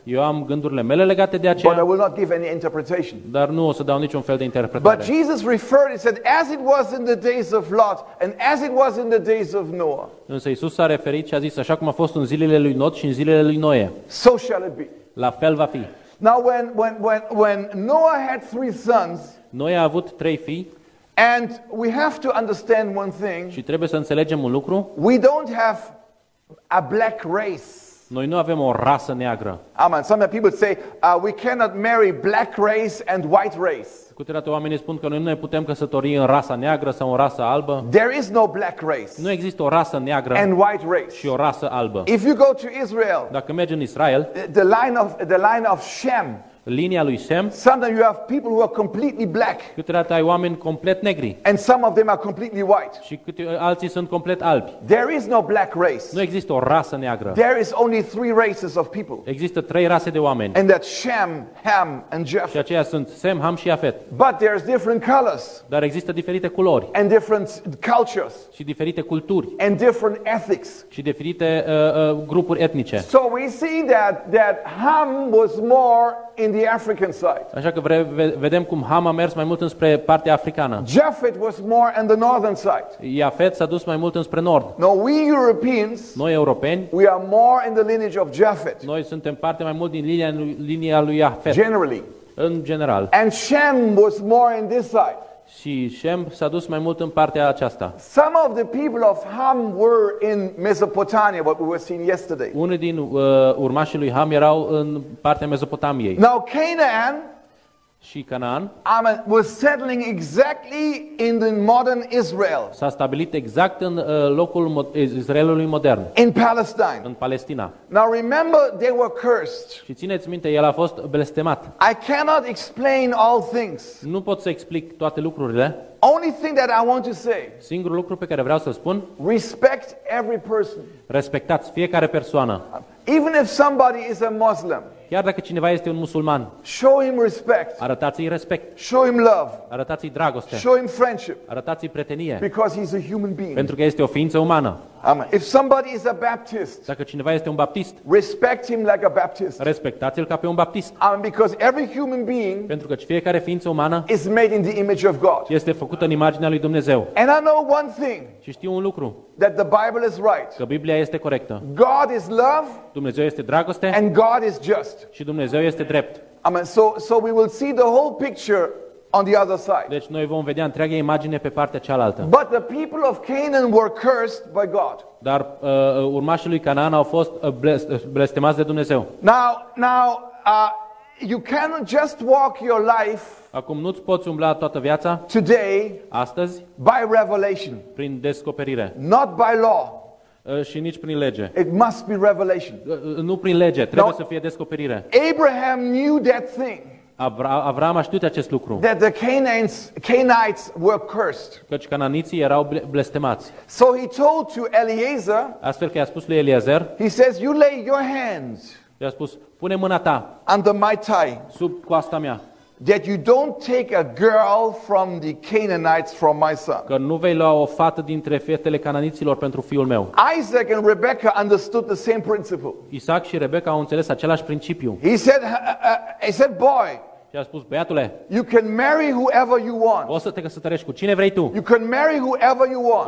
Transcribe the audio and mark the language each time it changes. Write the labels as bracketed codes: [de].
[ro] Eu am gândurile mele legate de aceea. [en] But I will not give any interpretation. [ro] Dar nu o să dau niciun fel de interpretare. [en] But Jesus referred, he said, as it was in the days of Lot and as it was in the days of Noah. [ro] Însă Iisus s-a referit și a zis așa cum a fost în zilele lui Lot și în zilele lui Noe. [en] So shall it be. [ro] La fel va fi. [en] Now when Noah had three sons. [ro] Noe a avut trei fii. [en] And we have to understand one thing. [ro] Și trebuie să înțelegem un lucru. [en] We don't have a black race. [ro] Noi nu avem o rasă neagră. [en] Amen. Some people say we cannot marry black race and white race. [ro] Câteodată oamenii spun că noi nu ne putem căsători în rasa neagră sau în rasa albă. [en] There is no black race. [ro] Nu există o rasă neagră [en] and white race. [ro] Și o rasă albă. [en] If you go to Israel, [ro] dacă mergi în Israel, [en] the line of Shem, [ro] linia lui Shem, [en] sometimes you have people who are completely black. [ro] Câteodată ai oameni complet negri. [en] And some of them are completely white. [ro] Și alții sunt complet albi. [en] There is no black race. [ro] Nu există o rasă neagră. [en] There is only three races of people. [ro] Există trei rase de oameni. [en] And that's Shem, Ham, and Japheth. [ro] Și aceia sunt Sem, Ham și Japheth. [en] But there's different colors. [ro] Dar există diferite culori. [en] And different cultures. [ro] Și diferite culturi. [en] And different ethics. [ro] Și diferite grupuri etnice. [en] So we see that Ham was more in the African side. [ro] Așa că vedem cum Ham a mers mai mult înspre partea africană. [en] Japheth was more on the northern side. [ro] Japheth s-a dus mai mult înspre nord. [en] Now we Europeans, [ro] noi europeni, [en] we are more in the lineage of Japheth. [ro] Noi suntem parte mai mult din linia lui Japheth. [en] Generally. [ro] În general. [en] And Shem was more on this side. [ro] Și Shem s-a dus mai mult în partea aceasta. [en] Some of the people of Ham were in Mesopotamia, what we were seeing yesterday. [ro] Unii din urmașii lui Ham erau în partea Mesopotamiei. [en] Now Canaan, [ro] și Canaan, [en] Amen, was settling exactly in the modern Israel. [ro] S-a stabilit exact în locul Israelului modern. [en] In Palestine. [ro] În Palestina. [en] Now remember, they were cursed. [ro] Și țineți minte, el a fost blestemat. [en] I cannot explain all things. [ro] Nu pot să explic toate lucrurile. [en] Only thing that I want to say. [ro] Singurul lucru pe care vreau să spun. [en] Respect every person. [ro] Respectați fiecare persoană. [en] Even if somebody is a Muslim. [ro] Chiar dacă cineva este un musulman, [en] show him respect. [ro] Arătați-i respect. [en] Show him love. [ro] Arătați-i dragoste. [en] Show him friendship. [ro] Arătați-i prietenie. [en] Because he's a human being. [ro] Pentru că este o ființă umană. [en] Amen. If somebody is a Baptist, [ro] dacă cineva este un baptist, [en] respect him like a Baptist. [ro] Respectați-l ca pe un baptist. [en] Amen. Because every human being, [ro] pentru că fiecare ființă umană, [en] is made in the image of God. [ro] Este făcută în imaginea lui Dumnezeu. [en] And I know one thing. [ro] Și știu un lucru. [en] That the Bible is right. [ro] Că Biblia este corectă. [en] God is love. [ro] Dumnezeu este dragoste. [en] And God is just. [ro] Și Dumnezeu este drept. [en] Amen. So we will see the whole picture on the other side. [ro] Deci noi vom vedea întreaga imagine pe partea cealaltă. [en] But the people of Canaan were cursed by God. [ro] Dar urmașii lui Canaan au fost blestemați de Dumnezeu. [en] Now, you cannot just walk your life. [ro] Acum nu-ți poți umbla toată viața. [en] Today. [ro] Astăzi. [en] By revelation. [ro] Prin descoperire. [en] Not by law. [ro] Și nici prin lege. [en] It must be revelation. [ro] Nu prin lege, trebuie să fie descoperire. [en] Abraham knew that thing. [ro] Avram a știut acest lucru. [en] That the Canaanites were cursed. [ro] Căci cananiții erau blestemați. [en] So he told to Eliezer. [ro] Astfel că i-a spus lui Eliezer. [en] He says, "You lay your hands." [ro] I-a spus, pune mâna ta. [en] Under my thigh. [ro] Sub coasta mea. [en] That you don't take a girl from the Canaanites from my son. [ro] Că nu vei lua o fată dintre fetele cananiților pentru fiul meu. [en] Isaac and Rebecca understood the same principle. [ro] Isaac și Rebecca au înțeles același principiu. [en] He said, boy. [ro] Și a spus, băiatule. [en] You can marry whoever you want. [ro] O să te căsătorești cu cine vrei tu. [en] You can marry whoever you want.